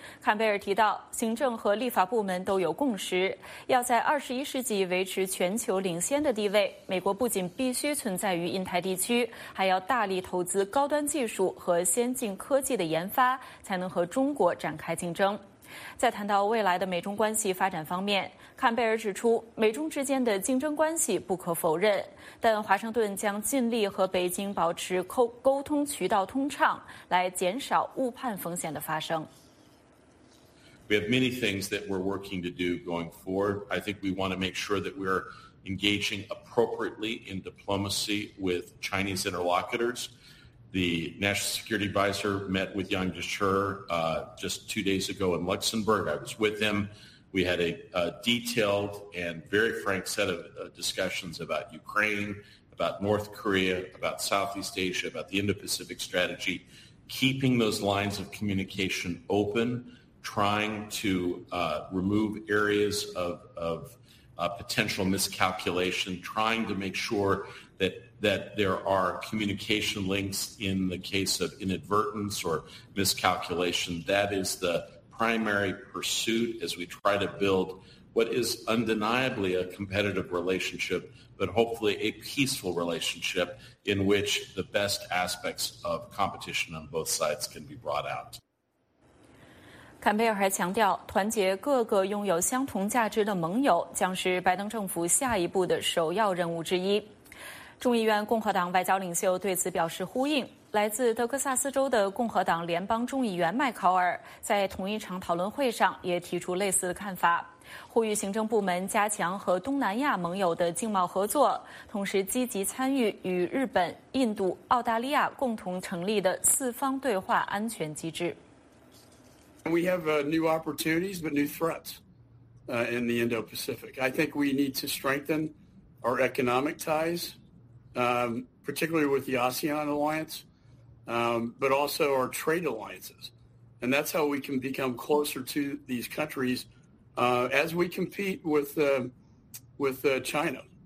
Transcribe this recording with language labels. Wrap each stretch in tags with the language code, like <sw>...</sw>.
<zh>坎贝尔提到行政和立法部门都有共识要在21世纪维持全球领先的地位美国不仅必须存在于印太地区还要大力投资高端技术和先进科技的研发才能和中国展开竞争在谈到未来的美中关系发展方面坎贝尔指出美中之间的竞争关系不可否认但华盛顿将尽力和北京保持沟通渠道通畅来减少误判风险的发生</zh> <en>We have many things that we're working to do going forward I think we want to make sure that we're engaging appropriately in diplomacy with Chinese interlocutorsThe National Security Advisor met with Yang Jiechi just 2 days ago in Luxembourg. I was with him. We had a detailed and very frank set of discussions about Ukraine, about North Korea, about Southeast Asia, about the Indo-Pacific strategy, keeping those lines of communication open, trying to remove areas of potential miscalculation, trying to make sure that there are communication links in the case of inadvertence or miscalculation. That is the primary pursuit as we try to build what is undeniably a competitive relationship, but hopefully a peaceful relationship in which the best aspects of competition on both sides can be brought out.</en> <zh>坎贝尔还强调团结各个拥有相同价值的盟友将是拜登政府下一步的首要任务之一众议院共和党外交领袖对此表示呼应来自德克萨斯州的共和党联邦众议员麦考尔在同一场讨论会上也提出类似的看法呼吁行政部门加强和东南亚盟友的经贸合作同时积极参与与日本、印度、澳大利亚共同成立的四方对话安全机制</zh> <en>We have new opportunities, but new threats in the Indo-Pacific. I think we need to strengthen our economic ties, particularly with the ASEAN alliance, but also our trade alliances. And that's how we can become closer to these countries as we compete with China.</en>